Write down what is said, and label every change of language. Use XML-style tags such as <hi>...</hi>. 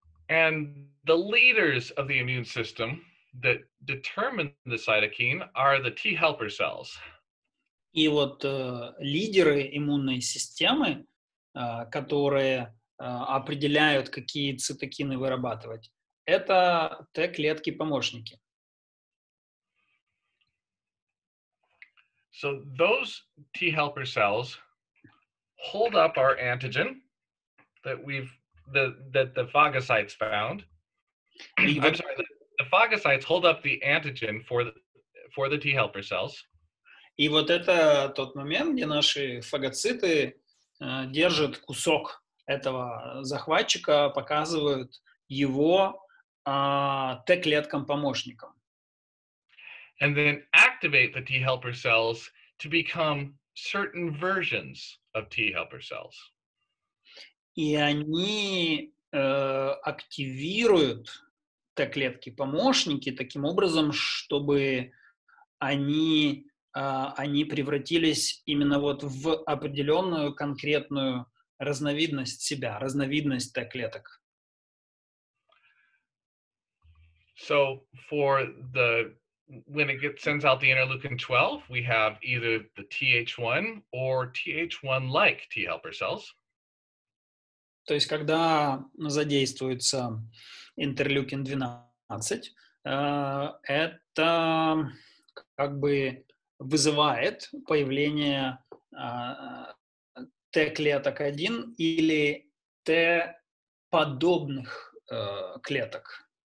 <en>And the leaders of the immune system that determine the cytokine are the T helper cells.</en> <ru>И вот лидеры иммунной системы, которые определяют, какие цитокины вырабатывать, это Т-клетки-помощники.</ru> <en>So those T helper cells hold up our antigen that the phagocytes found. The phagocytes hold up the antigen for the T helper cells.</en> <ru>И вот это тот момент, где наши фагоциты держат кусок этого захватчика, показывают его Т-клеткам-помощникам.</ru> <en>And then activate the T-helper cells to become certain versions of T-helper cells.</en> <ru>И они активируют Т-клетки-помощники таким образом, чтобы они превратились именно вот в определенную конкретную разновидность себя, разновидность Т-клеток.</ru> <en>So for the when it gets sends out the interleukin 12, we have either the TH1 or TH1-like T-helper cells.</en> <ru>То есть когда задействуется интерлюкин 12, это как бы вызывает появление Т-клеток 1 или Т-подобных клеток.</ru>